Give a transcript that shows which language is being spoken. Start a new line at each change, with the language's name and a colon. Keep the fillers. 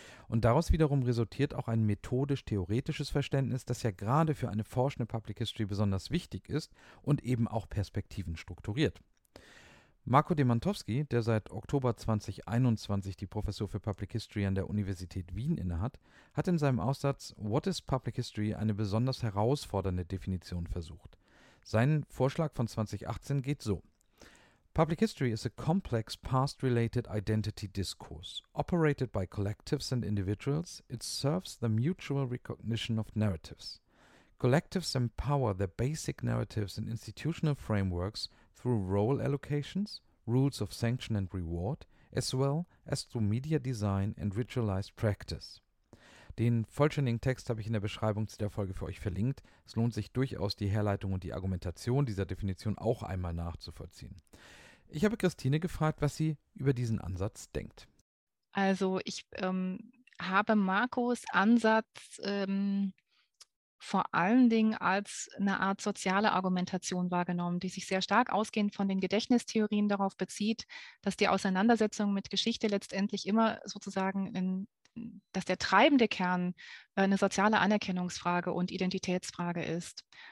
German: Und daraus wiederum resultiert auch ein methodisch-theoretisches Verständnis, das ja gerade für eine forschende Public History besonders wichtig ist und eben auch Perspektiven strukturiert. Marco Demantowski, der seit Oktober 2021 die Professur für Public History an der Universität Wien innehat, hat in seinem Aufsatz What is Public History eine besonders herausfordernde Definition versucht. Sein Vorschlag von 2018 geht so.
English: Public history is a complex past related identity discourse, operated by collectives and individuals. It serves the mutual recognition of narratives. Collectives empower their basic narratives and institutional frameworks through role allocations, rules of sanction and reward, as well as through media design and ritualized practice.
German: Den vollständigen Text habe ich in der Beschreibung zu der Folge für euch verlinkt. Es lohnt sich durchaus, die Herleitung und die Argumentation dieser Definition auch einmal nachzuvollziehen. Ich habe Christine gefragt, was sie über diesen Ansatz denkt. Also ich ähm, habe Marcos Ansatz ähm vor allen Dingen als eine Art soziale Argumentation wahrgenommen, die sich sehr stark ausgehend von den Gedächtnistheorien darauf bezieht, dass die Auseinandersetzung mit Geschichte letztendlich immer sozusagen in, dass der treibende Kern eine soziale Anerkennungsfrage und Identitätsfrage ist.